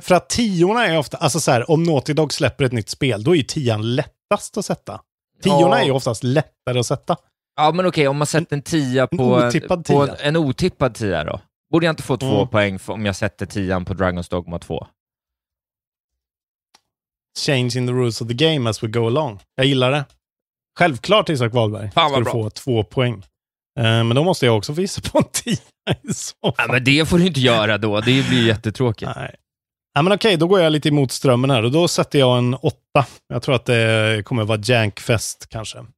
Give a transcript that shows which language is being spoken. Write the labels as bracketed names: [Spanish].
[Swedish] För att 10:orna är ofta... Alltså så här, om Naughty Dog släpper ett nytt spel, då är ju 10:an lättast att sätta. 10:orna är ju oftast lättare att sätta. Ja, men okej. Om man sätter en 10 på... En otippad 10 då? Borde jag inte få 2 poäng för om jag sätter 10:an på Dragon's Dogma 2? [English] Changing the rules of the game as we go along. [Swedish] Jag gillar det. Självklart, Isak Wahlberg. Fan vad bra. Få 2 poäng. Men då måste jag också visa på en 10. Ja, men det får du inte göra då. Det blir jättetråkigt. Nej. Ja, men okej, då går jag lite emot strömmen här. Och då sätter jag en 8. Jag tror att det kommer vara jankfest kanske.